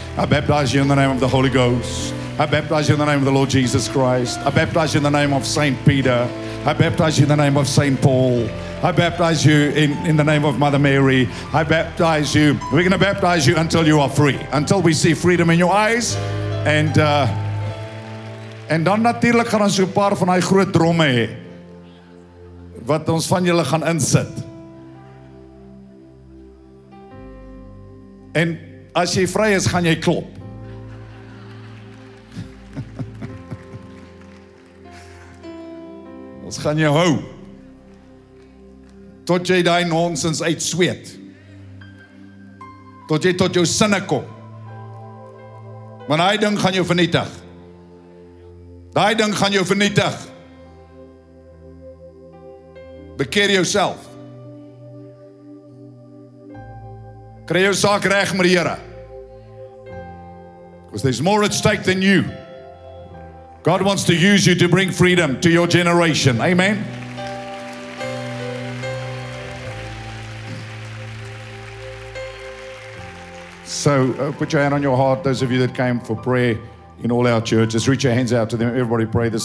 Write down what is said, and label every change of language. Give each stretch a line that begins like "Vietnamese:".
English: I baptize you in the name of the Holy Ghost. I baptize you in the name of the Lord Jesus Christ. I baptize you in the name of Saint Peter. I baptize you in the name of Saint Paul. I baptize you in the name of Mother Mary. I baptize you. We're going to baptize you until you are free, until we see freedom in your eyes. And
Afrikaans: dan natuurlik gaan ons 'n paar van daai groot dromme hê wat ons van julle gaan insit. En as jy vry is, gaan jy klop. Ons gaan jou hou tot jy daai nonsens uitsweet. Tot jy tot jou sinne kom. Want daai ding gaan jou vernietig. Daai ding gaan jou vernietig. Bekeer jouself. Kry jou saak reg met die Here.
English: Because there's more at stake than you. God wants to use you to bring freedom to your generation. Amen. So, put your hand on your heart, those of you that came for prayer in all our churches. Reach your hands out to them. Everybody pray this.